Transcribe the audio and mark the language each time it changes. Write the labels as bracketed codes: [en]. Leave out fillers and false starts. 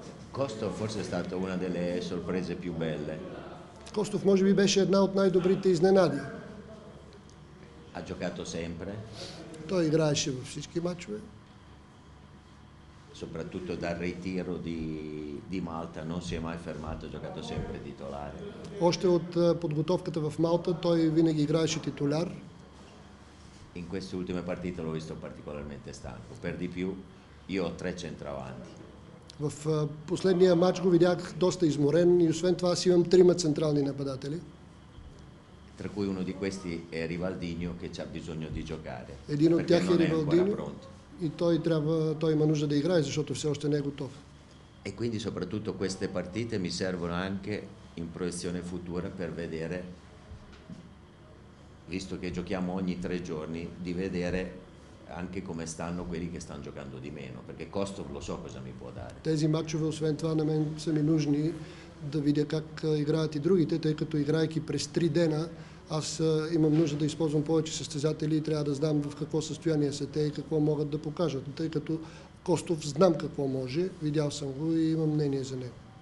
[it] Costo forse è stata una delle sorprese più belle. [bg] Costov може би беше една от най-добрите изненади. [it] Ha giocato sempre. [bg] Той играеше във всички матчове. [it] Soprattutto dal ritiro di Malta non si è mai fermato, ha giocato sempre titolare. [bg] Още от подготовката в Малта той винаги играеше титуляр. [it] In queste ultime partite l'ho visto particolarmente stanco. Per di più io ho tre centravanti. [bg] В последния матч го видях доста изморен и освен това си имам трима централни нападатели. [it] Tra cui uno di questi è Rivaldinho che ha bisogno di giocare. [bg] Един от тях е Rivaldinho. И той трябва, той има нужда да играе, защото все още не е готов. [it] E quindi soprattutto queste partite mi servono anche in proiezione futura per vedere, visto che giochiamo ogni 3 giorni, di vedere anche come stanno quelli che stanno giocando di meno, perché Costov lo so cosa mi può dare. [bg] Тези матчове, освен това, на мен са ми нужни да видя как играят и другите, тъй като играйки през 3 дена, аз имам нужда да използвам повече състезатели и трябва да знам в какво състояние са те и какво могат да покажат. Тъй като Костов знам какво може, видял съм го и имам мнение за него.